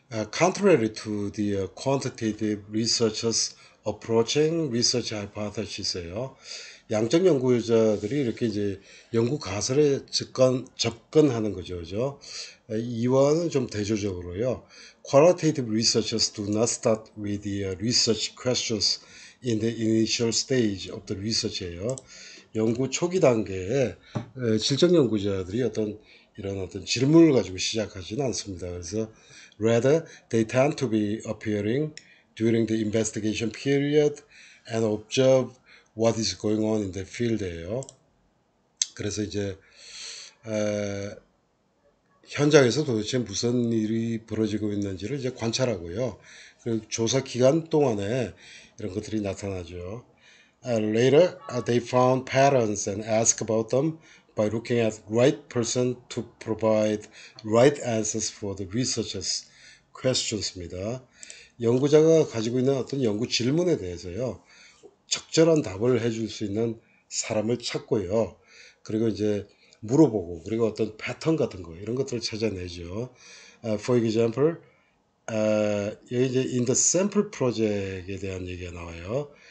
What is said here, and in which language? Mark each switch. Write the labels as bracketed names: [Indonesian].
[English] Contrary to the quantitative researchers approaching research hypothesis예요. [Korean] 양적 연구자들이 이렇게 이제 연구 가설에 접근하는 거죠. 그죠? 이와는 좀 대조적으로요. [English] Qualitative researchers do not start with the research questions in the initial stage of the research예요. [Korean] 연구 초기 단계에 질적 연구자들이 어떤 질문을 가지고 시작하지는 않습니다. [English] 그래서 rather they tend to be appearing during the investigation period and observe what is going on in the field예요. [Korean] 그래서 이제 현장에서 도대체 무슨 일이 벌어지고 있는지를 이제 관찰하고요. 그리고 조사 기간 동안에 이런 것들이 나타나죠. [English] Later, they found patterns and asked about them by looking at right person to provide right answers for the researchers' questions입니다. [Korean] 연구자가 가지고 있는 어떤 연구 질문에 대해서요, 적절한 답을 해줄 수 있는 사람을 찾고요, 그리고 이제 물어보고, 그리고 어떤 패턴 같은 거, 이런 것들을 찾아내죠. [English] For example, [Korean] 여기 이제 [English] in the sample project에 [Korean] 대한 얘기가 나와요.